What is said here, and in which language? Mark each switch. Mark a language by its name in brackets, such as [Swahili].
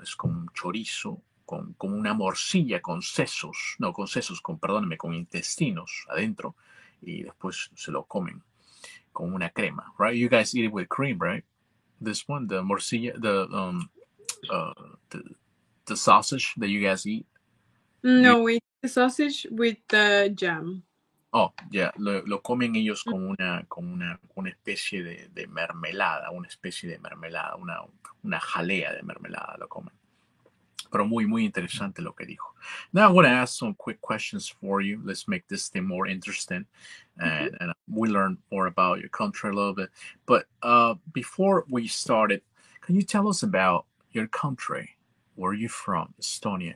[Spanish] Es como un chorizo con una morcilla con sesos, no con sesos, con, perdóname, con intestinos adentro y después se lo comen con una crema. [English] Right? You guys eat it with cream, right? This one, the morcilla, the sausage that you guys eat. No, we eat the sausage with the jam. [Spanish] Oh, lo comen ellos con una especie de mermelada, una especie de mermelada, una jalea de mermelada lo comen. Pero muy, muy interesante lo que dijo. [English] Now I'm going to ask some quick questions for you. Let's make this thing more interesting. And we learn more about your country a little bit. But before we started, can you tell us about your country? Where are you from? Estonia.